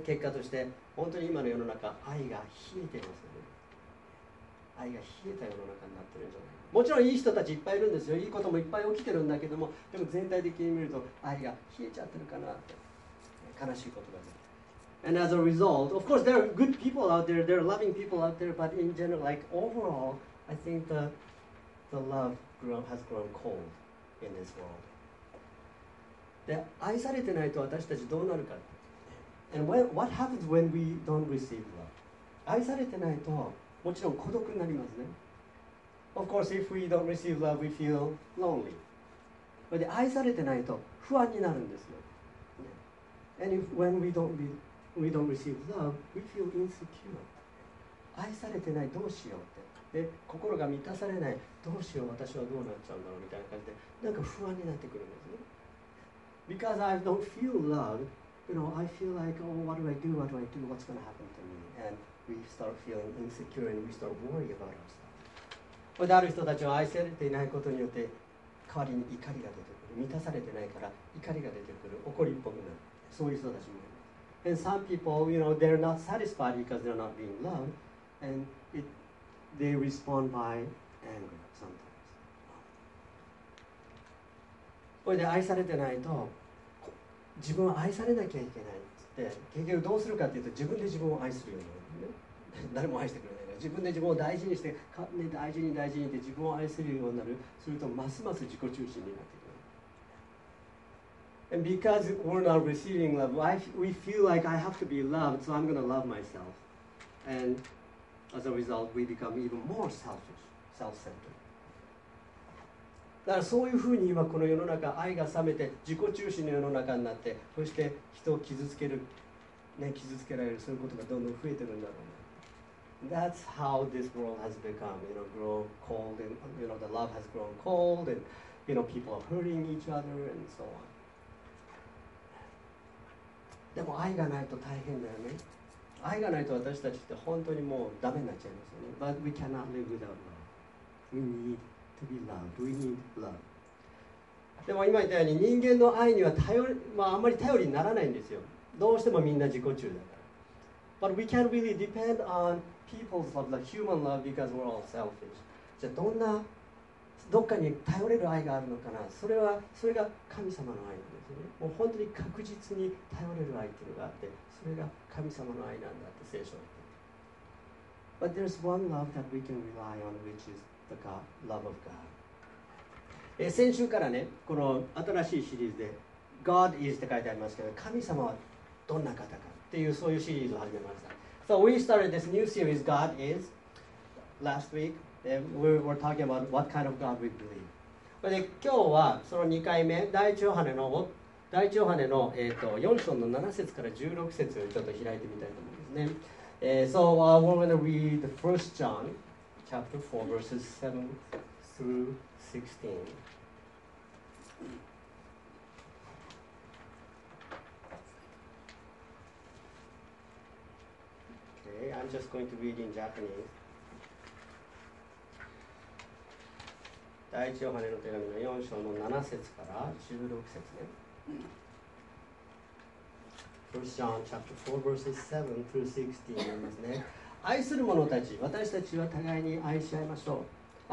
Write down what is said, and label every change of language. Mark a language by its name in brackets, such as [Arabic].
[Japanese] で、結果として本当に今の世の中愛が冷えてますよね。愛が冷えた世の中になってるんじゃないか。もちろんいい人たちいっぱいいるんですよ。いいこともいっぱい起きてるんだけども、でも全体的に見ると愛が冷えちゃってるかなって悲しいことがある。 [English] And as a result, of course there are good people out there, there are loving people out there, but in general, like overall, I think the love has grown cold in this world. [Japanese] で、愛されてないと私たちどうなるか。 [English] And when, what happens when we don't receive love? [Japanese] 愛されてないと、もちろん孤独になりますね。 [English] Of course, if we don't receive love, we feel lonely. But [Japanese] 愛されてないと不安になるんですよ。 [English] And if, when we don't receive love, we feel insecure. [Japanese] 愛されてないどうしようって。で、心が満たされない、どうしよう、私はどうなっちゃうんだろうみたいな感じで、なんか不安になってくるんですね。 [English] Because I don't feel love, you know, I feel like, oh, what do I do? What do I do? What's going to happen to me? And we start feeling insecure and we start worrying about ourselves. [Japanese] これである人たちは愛されていないことによって代わりに怒りが出てくる。満たされてないから怒りが出てくる。怒りっぽくなる。そういう人たちもいる。 [English] And some people, you know, they're not satisfied because they're not being loved. And it they respond by anger sometimes. [Japanese] これで愛されてないと自分は愛されなきゃいけないって結局どうするかっていうと自分で自分を愛するようになる、ね、誰も愛してくれないから自分で自分を大事にして大事に大事にで自分を愛するようになる、するとますます自己中心になっていく。 [English] And because we're not receiving love, we feel like I have to be loved, so I'm going to love myself. And as a result, we become even more selfish, self-centered. [Japanese] だからそういうふうに今この世の中、愛が冷めて自己中心の世の中になって、そして人を傷つける、ね、傷つけられる、そういうことがどんどん増えてるんだろうね。 [English] That's how this world has become, you know, grow cold, and you know, the love has grown cold, and you know, people are hurting each other, and so on. [Japanese] でも愛がないと大変だよね。愛がないと私たちって本当にもうダメになっちゃいますよね。 [English] But we cannot live without love. We need to be loved. We need love. [Japanese] でも今言ったように人間の愛には頼り、まあ、あんまり頼りにならないんですよ。どうしてもみんな自己中だから。 [English] But we can't really depend on people's love, the human love, because we're all selfish. [Japanese] じゃあどんな、どっかに頼れる愛があるのかな。それは、それが神様の愛。もう本当に確実に頼れる愛っていうのがあって、それが神様の愛なんだって聖書は言っている。 [English] But there's one love that we can rely on, which is the God, love of God. [Japanese] 先週からね、この新しいシリーズで God is って書いてありますけど、神様はどんな方かっていうそういうシリーズを始めました。 [English] So we started this new series, God is, last week. We were talking about what kind of God we believe. [Japanese] で今日はその2回目、第一ヨハネの、4章の7節から16節をちょっと開いてみたいと思うんですね。 [English] So, we're going to read the 1 John, chapter 4, verses 7 through 16. Okay, I'm just going to read in Japanese. [Japanese] 第一ヨハネの手紙の4章の7節から16節ね。 [English] 1 John chapter 4 verses 7 through 16 [Japanese] なんですね。愛する者たち、私たちは互いに愛し合いましょう。